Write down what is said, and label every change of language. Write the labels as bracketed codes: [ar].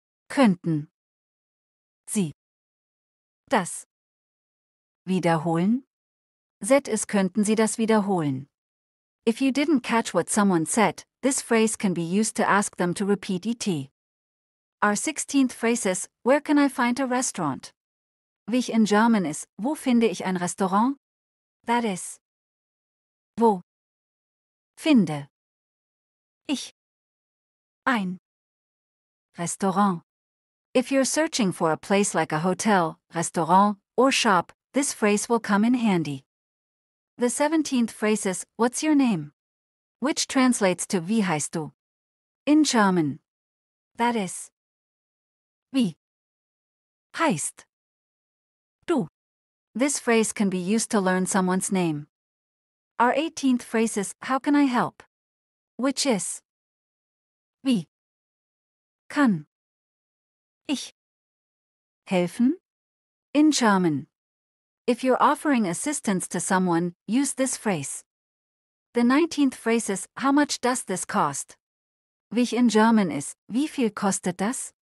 [de] könnten Sie das wiederholen? Zet is, könnten Sie das wiederholen? [en] If you didn't catch what someone said, this phrase can be used to ask them to repeat it. Our 16th phrase is, where can I find a restaurant? [de] Wie in German ist, wo finde ich ein Restaurant? [en] That is, [de] wo Finde. Ich. Ein. Restaurant. [en] If you're searching for a place like a hotel, restaurant, or shop, this phrase will come in handy. The 17th phrase is, what's your name? Which translates to [de] wie heißt du? [en] In German. That is. [de] Wie heißt du? [en] This phrase can be used to learn someone's name. Our 18th phrase is, how can I help? Which is. [de] Wie kann ich helfen? [en] In German. If you're offering assistance to someone, use this phrase. The 19th phrase is, how much does this cost? [de] Wie in German is, wie viel kostet das?